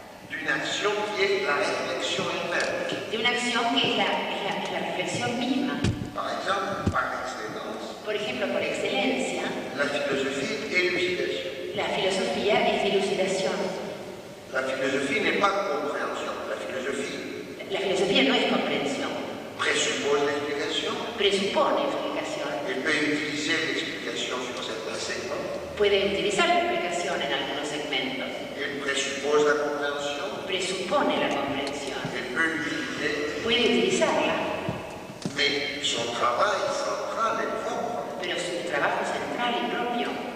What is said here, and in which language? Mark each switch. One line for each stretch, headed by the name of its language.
French: D'une action qui est la réflexion elle-même.
Spanish: De una acción que es la reflexión misma.
French: Par exemple, par excellence.
Spanish: Por ejemplo, por excelencia.
French: La philosophie est lucidation.
Spanish: La filosofía es dilucidación.
French: La philosophie n'est pas compréhension. La philosophie.
Spanish: La filosofía no es comprensión.
French: Presuppose l'explication.
Spanish: Presupone explicación.
French: Et peut utiliser l'explication sur certains segments.
Spanish: Puede utilizar la explicación en algunos segmentos.
French: Et presuppose la compréhension.
Spanish: Presupone la comprensión.
French: Et peut l'utiliser.
Spanish: Puede utilizarla.
French: Mais son travail central est propre.
Spanish: Pero su trabajo central y propio.